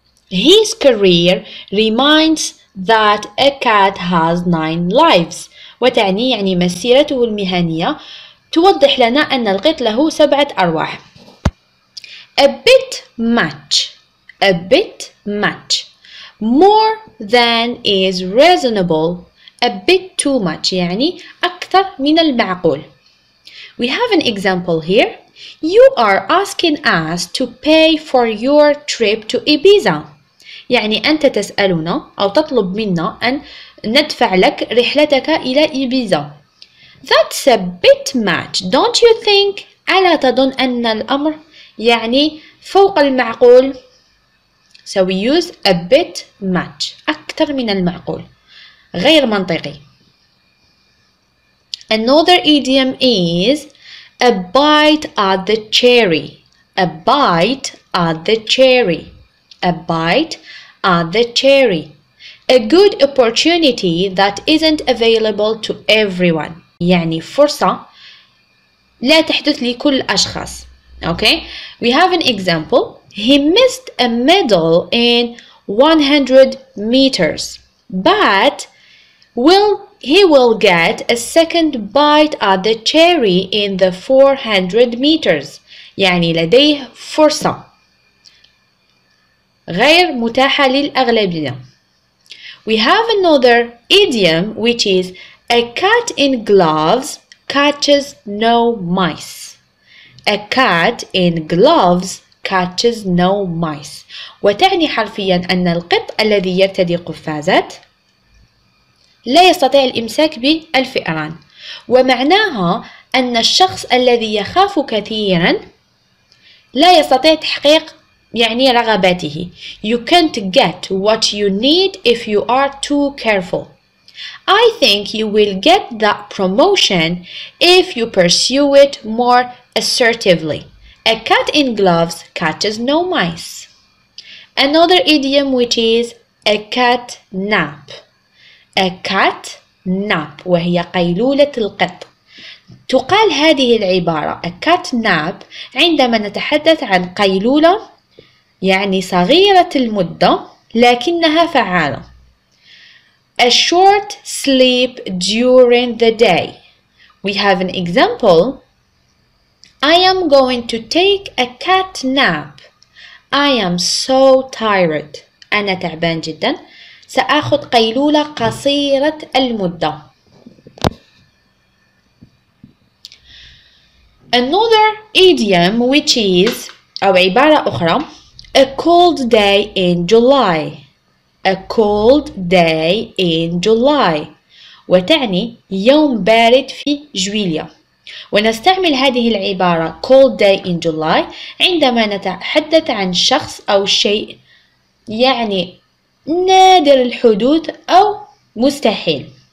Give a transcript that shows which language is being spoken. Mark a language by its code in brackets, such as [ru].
[en] His career reminds that a cat has nine lives. [ar] وتعني يعني مسيرته المهنية توضح لنا أن القط له سبعة أرواح. [en] A bit much. A bit much. More than is reasonable. A bit too much, [ar] يعني أكثر من المعقول. [en] We have an example here. You are asking us to pay for your trip to Ibiza. [ar] يعني أنت تسألنا أو تطلب منا أن ندفع لك رحلتك إلى إيبيزا. [en] That's a bit much, don't you think? [ar] ألا تظن أن الأمر يعني فوق المعقول؟ [en] So we use a bit much, [ar] أكثر من المعقول. غير منطقي. [en] Another idiom is a bite at the cherry. A bite at the cherry. A bite at the cherry. A good opportunity that isn't available to everyone. [ar] يعني فرصة لا تحدث لكل الأشخاص. [en] Okay? We have an example. He missed a medal in 100 meters. But he will get a second bite at the cherry in the 400 meters. [ar] يعني لديه فرصة غير متاحة للأغلبية. [en] We have another idiom which is a cat in gloves catches no mice. A cat in gloves catches no mice. [ar] وتعني حرفيا أن القط الذي يرتدي قفازات لا يستطيع الإمساك بالفئران, ومعناها أن الشخص الذي يخاف كثيرا لا يستطيع تحقيق يعني رغباته. [en] You can't get what you need if you are too careful. I think you will get the promotion if you pursue it more assertively. A cat in gloves catches no mice. Another idiom which is a cat nap. A cat nap, [ar] وهي قيلولة القط. تقال هذه العبارة [en] a cat nap [ar] عندما نتحدث عن قيلولة يعني صغيرة المدة لكنها فعالة. [en] A short sleep during the day. We have an example. I am going to take a cat nap. I am so tired. [ar] أنا تعبان جدا. سأخذ قيلولة قصيرة المدة. [en] Another idiom which is [ar] أو عبارة أخرى [en] a cold day in July. A cold day in July. [ar] وتعني يوم بارد في جويليا. ونستعمل هذه العبارة [en] cold day in July [ar] عندما نتحدث عن شخص أو شيء يعني نادر الحدوث أو مستحيل.